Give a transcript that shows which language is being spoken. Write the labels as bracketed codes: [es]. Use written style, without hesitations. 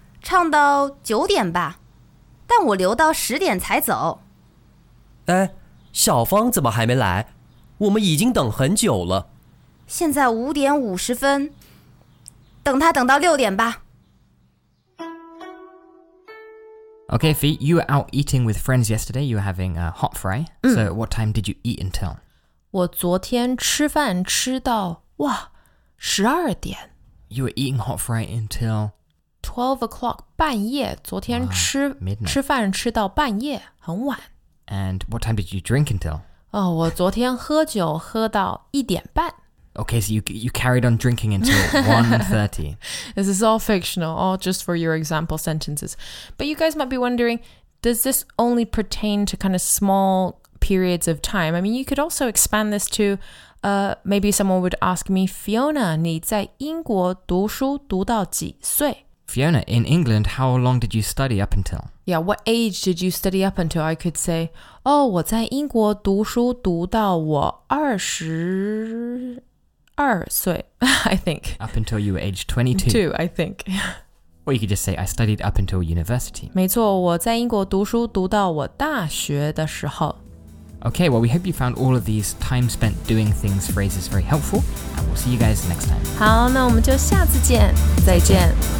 [zh] 唱到9点吧, 但我留到10点才走。诶,小芳怎么还没来?我们已经等很久了。现在5点50分, 等她等到6点吧。 [en] Okay, Fee, you were out eating with friends yesterday. You were having a hot fry. So what time did you eat until? [zh] 我昨天吃饭吃到哇十二点。 [en] You were eating hot fry until 12 o'clock [zh] 半夜。昨天吃 [en] midnight. [zh] 吃饭吃到半夜很晚。 [en] And what time did you drink until? [zh] 我昨天喝酒喝到一点半。 [en] Okay, so you carried on drinking until 1:30. This is all fictional, all just for your example sentences. But you guys might be wondering, does this only pertain to kind of small periods of time? I mean, you could also expand this to, maybe someone would ask me, Fiona, [zh] 你在英国读书读到几岁? [en] Fiona, in England, how long did you study up until? Yeah, what age did you study up until? I could say, [zh] 我在英国读书读到我二十二岁, [en] I think. Up until you were age 22. Two, I think. Or you could just say, I studied up until university. [zh] 没错,我在英国读书读到我大学的时候。 [en] Okay, well, we hope you found all of these time spent doing things phrases very helpful, and we'll see you guys next time. [zh] 好,那我们就下次见,再见。